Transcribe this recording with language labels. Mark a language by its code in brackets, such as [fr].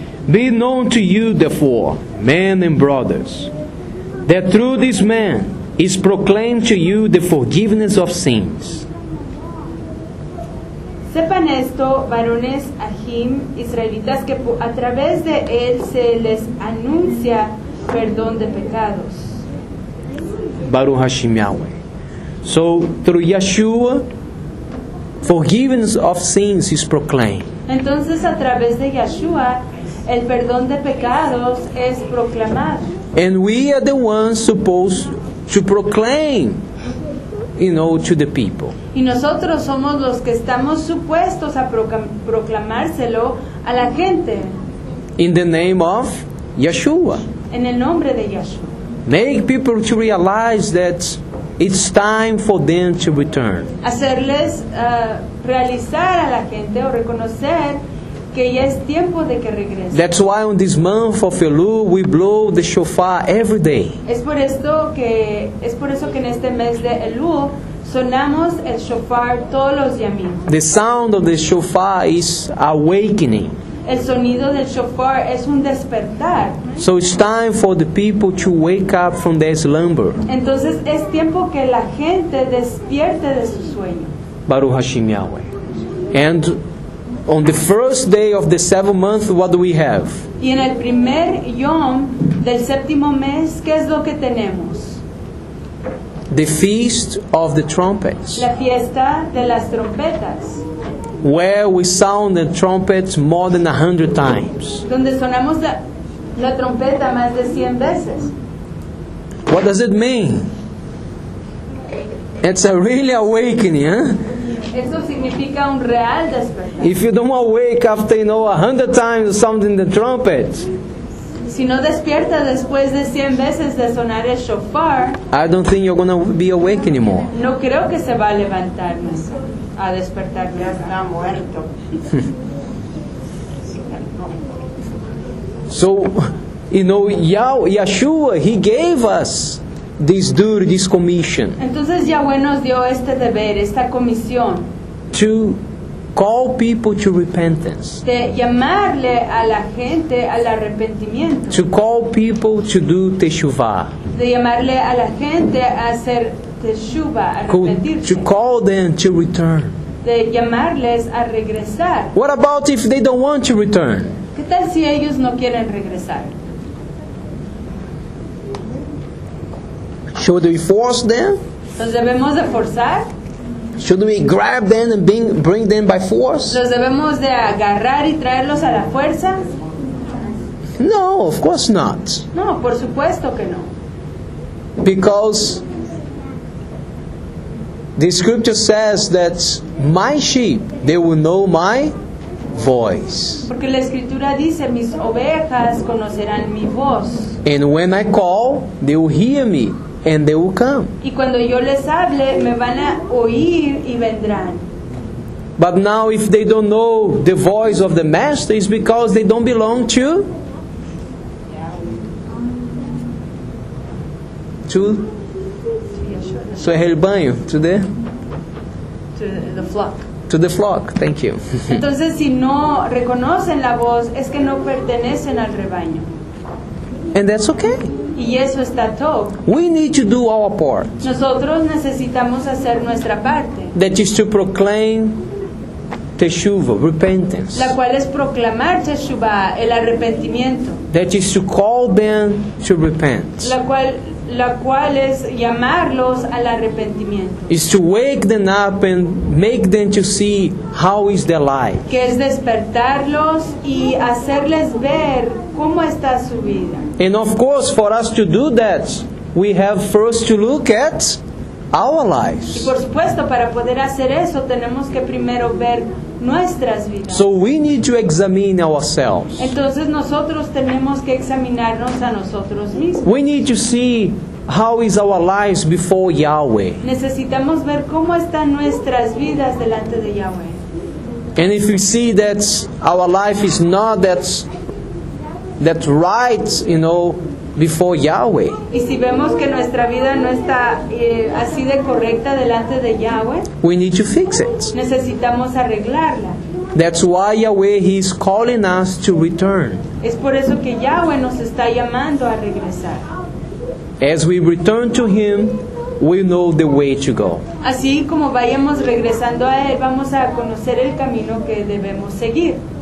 [en] Be known to you, therefore, men and brothers, that through this man is proclaimed to you the forgiveness of sins. [es] Sepan esto, varones ajim, israelitas, que a través de él se les anuncia perdón de pecados. [he] Baruch Hashem [en] Yahweh. So, through Yeshua, forgiveness of sins is proclaimed. [es] Entonces, a través de Yeshua, el perdón de pecados es proclamado. [en] And we are the ones supposed to proclaim, you know, to the people. [es] Y nosotros somos los que estamos supuestos a proclamárselo a la gente. [en] In the name of Yeshua. [es] En el nombre de Yeshua. [en] Make people to realize that it's time for them to return. [es] Hacerles realizar a la gente o reconocer que ya es tiempo de que regrese. [en] That's why on this month of Elul we blow the shofar every day. [es] Es por eso que en este mes de Elul sonamos el shofar todos los yamim. [en] The sound of the shofar is awakening. [es] El sonido del shofar es un despertar. [en] So it's time for the people to wake up from their slumber. [es] Entonces es tiempo que la gente despierte de su sueño. [he] Baruch Hashem [en] Yahweh. And on the first day of the seventh month, what do we have? [es] Y en el primer yom del séptimo mes, ¿qué es lo que tenemos? [en] The feast of the trumpets. [es] La fiesta de las trompetas. [en] Where we sound the trumpets more than 100 times. [es] Donde sonamos la trompeta más de 100 veces. [en] What does it mean? It's a really awakening, huh? [es] Eso significa un real despertar. [en] If you don't awake after, you know, 100 times sounding the trumpet, [es] Si no despierta después de 100 veces de sonar el shofar, [en] I don't think you're gonna be awake anymore. [es] No creo que se va a levantar más, a despertar. Ya está muerto. [en] So, you know, Yeshua, he gave us this duty, this commission. [es] Entonces Yahweh nos dio este deber, esta comisión. [en] To call people to repentance. [es] De llamarle a la gente al arrepentimiento. [en] To call people to do teshuvah. [es] De llamarle a la gente a hacer teshuvah, arrepentirse. [en] To call them to return. [es] De llamarles a regresar. [en] What about if they don't want to return? [es] ¿Qué tal si ellos no quieren regresar? [en] Should we force them? [es] ¿Los debemos de forzar? [en] Should we grab them and bring them by force? [es] ¿Los debemos de agarrar y traerlos a la fuerza? [en] No, of course not. [es] No, por supuesto que no. [en] Because the scripture says that my sheep, they will know my voice. [es] Porque la escritura dice, mis ovejas conocerán mi voz. [en] And when I call, they will hear me. And they will come. [es] Y cuando yo les hable, me van a oír y vendrán. [en] But now if they don't know the voice of the master, it's because they don't belong to Yeshua. [es] So el rebaño, [en] to the flock. To the flock, thank you. [es] Entonces si no reconocen la voz, es que no pertenecen al rebaño. [en] And that's okay. [es] Y eso está todo. [en] We need to do our part. [es] Nosotros necesitamos hacer nuestra parte. [en] That is to proclaim teshuva, repentance. [es] La cual es proclamar teshuva, el arrepentimiento. [en] That is to call them to repent. [es] La cual es llamarlos al arrepentimiento. [en] Is to wake them up and make them to see how is their life. [es] Que es despertarlos y hacerles ver cómo está su vida. [en] And of course, for us to do that, we have first to look at our lives. [es] Y por supuesto, para poder hacer eso, tenemos que primero ver nuestras vidas. [en] So we need to examine ourselves. [es] Entonces nosotros tenemos que examinarnos a nosotros mismos. [en] We need to see how is our lives before Yahweh. [es] Necesitamos ver cómo están nuestras vidas delante de Yahweh. [en] And if we see that our life is not that right, you know, before Yahweh. [es] Y si vemos que nuestra vida no está así de correcta delante de Yahweh, [en] we need to fix it. [es] Necesitamos arreglarla. [en] That's why Yahweh, he is calling us to return. [es] Es por eso que Yahweh nos está llamando a regresar. [en] As we return to him, we know the way to go. [es] Así como vayamos regresando a él, vamos a conocer el camino que debemos seguir.